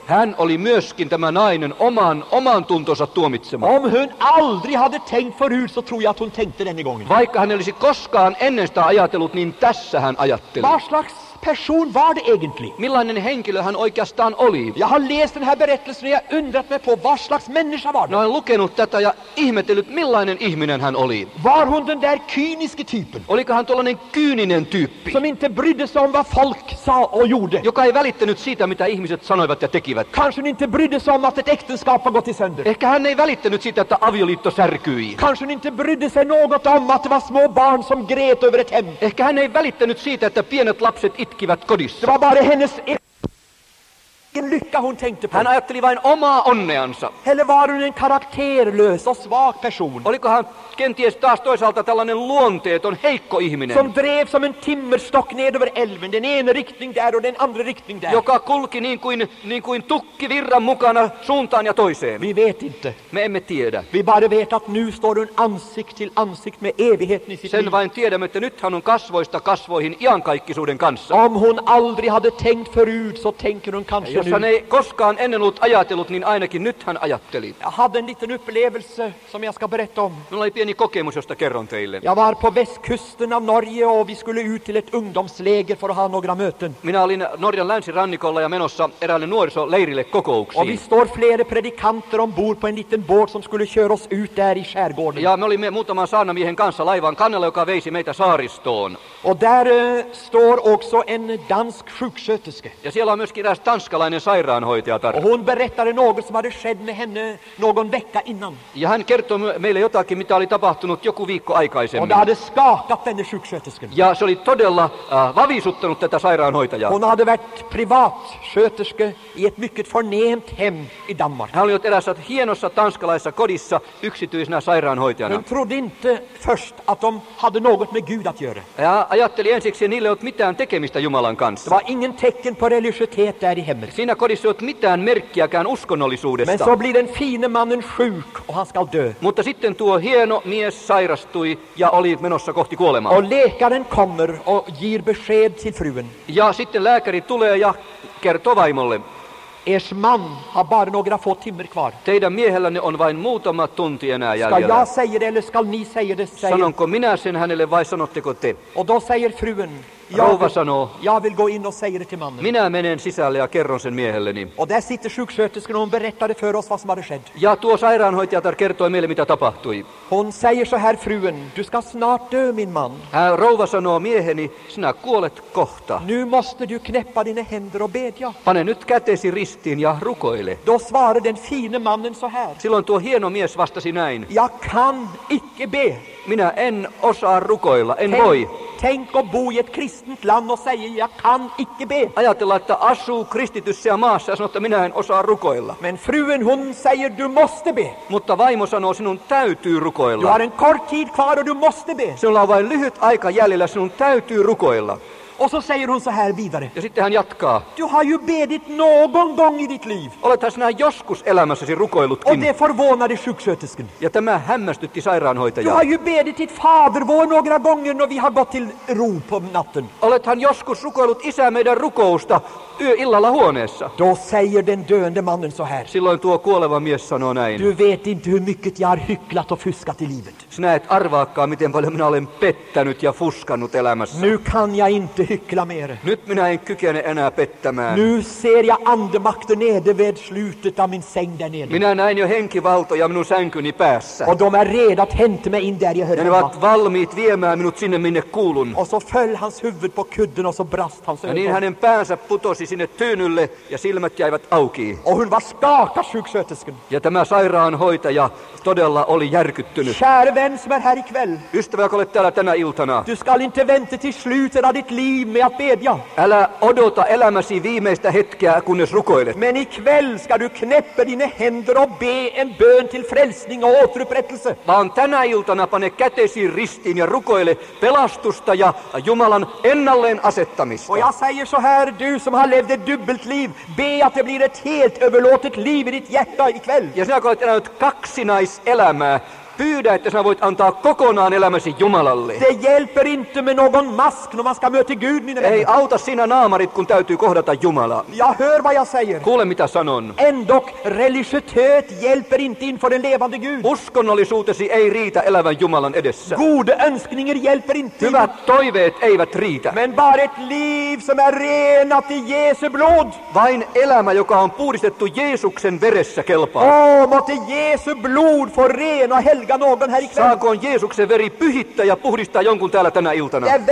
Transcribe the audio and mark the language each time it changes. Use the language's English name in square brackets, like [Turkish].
[Finnish] Hän oli myöskin tämä nainen oman tuntonsa tuomitsema. [Swedish] Om hon aldrig hade tänkt förut så tror jag att hon tänkte denna gången. [Finnish] Vaikka hän olisi koskaan ennen sitä ajatellut, niin tässä hän ajatteli. [Swedish] Vad slags person var det egentligen? [Finnish] Millainen henkilö hän oikeastaan oli? [Swedish] Jag har läst den här berättelsen och jag undrat mig på vad slags människa var det? [Finnish] Jag har lukenut tätä ja ihmetellyt, millainen ihminen hän oli. [Swedish] Var hon den där kyniske typen? [Finnish] Oliko hän tuollainen kyyninen tyyppi? [Swedish] Som inte brydde sig om vad folk sa och gjorde. [Finnish] Joka ei välittänyt siitä, mitä ihmiset sanoivat ja tekivät. [Swedish] Kanske hon inte brydde sig om att ett äktenskap har gått i sönder. [Finnish] Ehkä hän ei välittänyt siitä, että avioliitto särkyi. [Swedish] Kanske hon inte brydde sig något om att det var små barn som grät över ett hem. [Finnish] Ehkä hän ei välittänyt siitä, että pienet lapset itkivät kodissa. [Swedish] Det var bara hennes egen lycka hon tänkte på. [Finnish] Hän ajatteli vain omaa onneansa. [Swedish] Eller var hon en karakterlös och svag person? [Finnish] Oliko hän kenties taas toisaalta tällainen luonteeton heikko ihminen? [Swedish] Som drev som en timmerstock ned över älven, den ena riktning där och den andra riktning där. [Finnish] Joka kulki niin kuin tukki virran mukana suuntaan ja toiseen. [Swedish] Vi vet inte. [Finnish] Me emme tiedä. [Swedish] Vi bara vet att nu står hon ansikt till ansikt med evigheten i sitt liv. [Finnish] Sen vain tiedämme, että nyt hän on kasvoista kasvoihin iankaikkisuuden kanssa. [Swedish] Om hon aldrig hade tänkt förut så tänker hon kanske. [Finnish] Jos hän ei koskaan ennen ollut ajatellut, niin ainakin nyt hän ajatteli. [Swedish] Jag hade en liten upplevelse som jag ska berätta om. [Finnish] Minulla oli pieni kokemus, josta kerron teille. [Swedish] Jag var på västkusten av Norge och vi skulle ut till ett ungdomsläger för att ha några möten. [Finnish] Minä olin Norjan länsirannikolla ja menossa eräälle nuorisoleirille kokouksiin. [Swedish] Och vi står flera predikanter ombord på en liten båt som skulle köra oss ut där i skärgården. [Finnish] Ja me olimme muutaman saarnamiehen kanssa laivan kannella, joka veisi meitä saaristoon. [Swedish] Och där står också en dansk sjuksköterske. [Finnish] Ja siellä on myöskin eräs tanskala. [Swedish] Och hon berättade något som hade skett med henne någon vecka innan. [Finnish] Ja hän kertoi meille jotakin, mitä oli tapahtunut joku viikko aikaisemmin. [Swedish] Och det hade skakat henne sjuksköterskan. [Finnish] Ja se oli todella vavisuttanut tätä sairaanhoitajaa. [Swedish] Hon hade varit privatsköterske i ett mycket förnämt hem i Danmark. [Finnish] Hän oli ollut erässä hienossa tanskalaisessa kodissa yksityisenä sairaanhoitajana. [Swedish] Hon trodde inte först att de hade något med Gud att göra. [Finnish] Ja ajatteli ensiksi, että niillä ei ole mitään tekemistä Jumalan kanssa. [Swedish] Det var ingen tecken på religiositet där i hemmet. [Finnish] Siinä kodissa ei ole mitään merkkiäkään uskonnollisuudesta. [Swedish] Men så blir den fine mannen sjuk och han skall dö. [Finnish] Mutta sitten tuo hieno mies sairastui ja oli menossa kohti kuolemaa. [Swedish] Och läkaren kommer och ger besked till fruen. [Finnish] Ja sitten lääkäri tulee ja kertoo vaimolle. [Swedish] Ers man har bara några få timmar kvar. [Finnish] Teidän miehelläni on vain muutama tunti enää jäljellä. [Swedish] Skall jag säga det eller skall ni säga det? [Finnish] Sanonko minä sen hänelle vai sanotteko te? [Swedish] Och då säger fruen. [Finnish] Rouva sanoo. [Swedish] Jag vill gå in och säga det till mannen. [Finnish] Minä menen sisälle ja kerron sen miehelleni. [Swedish] Och där sitter sjuksköterskan och hon berättade för oss vad som hade skett. [Finnish] Ja tuo sairaanhoitajatar kertoi meille mitä tapahtui. [Swedish] Hon säger så här fruen. Du skall snart dö min man. [Finnish] Hän rouva sanoo mieheni. Sinä kuolet kohta. [Swedish] Nu måste du knäppa dina händer och bedja. [Finnish] Pane nyt kätesi ristiin ja rukoile. [Swedish] Då svarade den fine mannen så här. [Finnish] Silloin tuo hieno mies vastasi näin. [Swedish] Jag kan icke be. [Finnish] Minä en osaa rukoilla, en voi. [Swedish] Tänk att bo i ett kristent land och säga jag kan icke be. [Finnish] Ajatella, että asuu kristityssä maassa ja sanoo, että minä en osaa rukoilla. [Swedish] Men fruen hon säger du måste be. [Finnish] Mutta vaimo sanoo, sinun täytyy rukoilla. [Swedish] Du har en kort tid kvar och du måste be. [Finnish] Sinulla on vain lyhyt aika jäljellä, sinun täytyy rukoilla. [Swedish] Och så säger hon så här vidare. [Finnish] Ja sitten hän jatkaa. [Swedish] Du har ju bedit någon gång i ditt liv. [Finnish] Olethan sinä joskus elämässäsi rukoillutkin. [Swedish] Och det förvånade sjuksköterskan. [Finnish] Ja tämä hämmästytti sairaanhoitajaa. [Swedish] Du har ju bedit ditt fader vår några gånger när vi har gått till ro på natten. [Finnish] Olethan joskus rukoillut isä meidän rukousta yöillalla huoneessa. [Swedish] Då säger den döende mannen så här. [Finnish] Silloin tuo kuoleva mies sanoo näin. [Swedish] Du vet inte hur mycket jag har hycklat och fuskat i livet. [Finnish] Sinä et arvaakaan, miten paljon minä olen pettänyt ja fuskannut elämässä. [Swedish] Nu kan jag inte hyckla mer. [Finnish] Nyt minä en kykene enää pettämään. [Swedish] Nu ser jag andemakten nede vid slutet av min säng där nere. [Finnish] Minä näin jo henkivaltoja minun sänkyni päässä. [Swedish] Och de är redo att hämta mig in där jag hörde. [Finnish] Ne ovat valmiit viemään minut sinne, minne kuulun. [Swedish] Och så föll hans huvud på kudden och så brast hans ögon. [Finnish] Ja niin hänen päänsä putosi sinne tyynylle ja silmät jäivät auki. [Swedish] Och hon var skakad, sjuksköterskan. [Finnish] Ja tämä sairaanhoitaja todella oli järkyttynyt. [Swedish] Kär vän som är här ikväll. [Finnish] Ystävä, joka olet täällä tänä iltana. [Swedish] Du skall inte vänta till slutet av ditt liv med att bedja. [Finnish] Älä odota elämäsi viimeistä hetkeä, kunnes rukoilet. [Swedish] Men ikväll ska du knäppa dina händer och be en bön till frälsning och återupprättelse. [Finnish] Vaan tänä iltana pane kätesi ristiin ja rukoile pelastusta ja Jumalan ennalleen asettamista. [Swedish] Och jag säger så här, du som har levt ett dubbelt liv, be att det blir ett helt överlåtet liv i ditt hjärta ikväll. [Finnish] Ja sinä, joka olet elänyt kaksinaiselämää, pyydä, että sinä voit antaa kokonaan elämäsi Jumalalle. [Swedish] Det hjälper inte med någon mask när man ska möta Gud, mina vänner. [Finnish] Ei auta sina naamarit, kun täytyy kohdata Jumala. [Swedish] Jag hör vad jag säger. [Finnish] Kuule, mitä sanon. [Swedish] Ändock, religiositet hjälper inte inför den levande Gud. [Finnish] Uskonnollisuutesi ei riitä elävän Jumalan edessä. [Swedish] Gode önskningar hjälper inte. [Finnish] Hyvät toiveet eivät riitä. [Swedish] Men bara ett liv som är renat i Jesu blod. [Finnish] Vain elämä, joka on puhdistettu Jeesuksen veressä, kelpaa. [Swedish] Oh, måtte Jesu blod få rena helgen. [Finnish] Saakoon Jeesuksen veri pyhittää ja puhdistaa jonkun täällä tänä iltana.